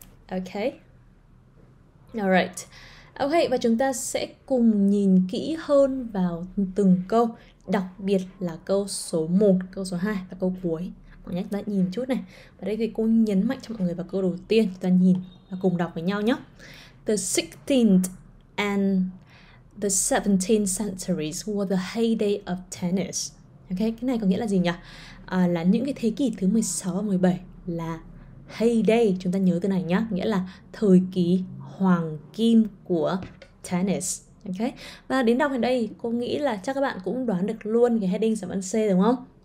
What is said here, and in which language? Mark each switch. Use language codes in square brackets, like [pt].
[vi] Ok, alright. Ok, và chúng ta sẽ cùng nhìn kỹ hơn vào từng câu, đặc biệt là câu số 1, câu số 2 và câu cuối. Mọi người đã nhìn chút này. Và đây thì cô nhấn mạnh cho mọi người vào câu đầu tiên, chúng ta nhìn và cùng đọc với nhau nhé. [en] The 16th and the 17th centuries were the heyday of tennis. [vi] Ok, cái này có nghĩa là gì nhỉ? À, là những cái thế kỷ thứ 16 và 17 là heyday, chúng ta nhớ từ này nhé, nghĩa là thời kỳ hoàng kim của tennis. Ok, và đến đọc ở đây cô nghĩ là chắc các bạn cũng đoán được luôn cái heading dạng văn C đúng không?